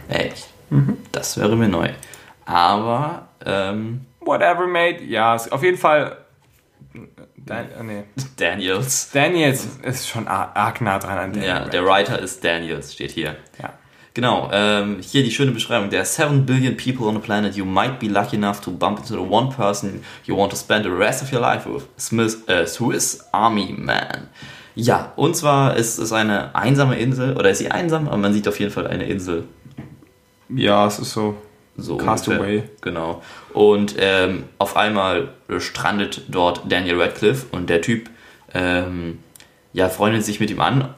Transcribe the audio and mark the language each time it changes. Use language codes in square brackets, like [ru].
[de] Echt? Das wäre mir neu. Aber [en] Whatever, mate. [de] Ja, auf jeden Fall. Daniels. Daniels ist schon arg nah dran an Daniels. Ja, der Writer ist Daniels, steht hier. Ja. Genau, hier die schöne Beschreibung. [en] There are 7 billion people on the planet. You might be lucky enough to bump into the one person you want to spend the rest of your life with. Swiss Army Man. [de] Ja, und zwar ist es eine einsame Insel. Oder ist sie einsam? Aber man sieht auf jeden Fall eine Insel. Ja, es ist so. So Castaway. Genau. Und auf einmal strandet dort Daniel Radcliffe. Und der Typ freundet sich mit ihm an.